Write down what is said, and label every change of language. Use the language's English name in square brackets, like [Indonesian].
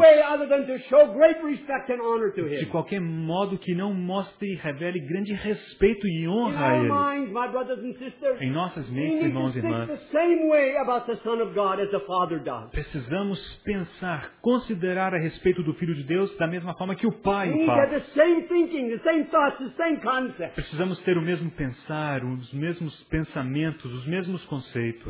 [English] way other than to show great respect and honor to him. [Portuguese] De qualquer modo que não mostre e revele grande respeito e honra a Ele. [English] Minds, my brothers and sisters, [Portuguese] em nossas mentes, irmãos e irmãs, [English] the same way about the Son of God as the Father does. [Portuguese] Precisamos pensar, considerar a respeito do Filho de Deus da mesma forma que o Pai faz. [English] We have the same thinking, the same thoughts, the same concepts. [Portuguese] Precisamos ter o mesmo pensar, os mesmos pensamentos, os mesmos conceitos.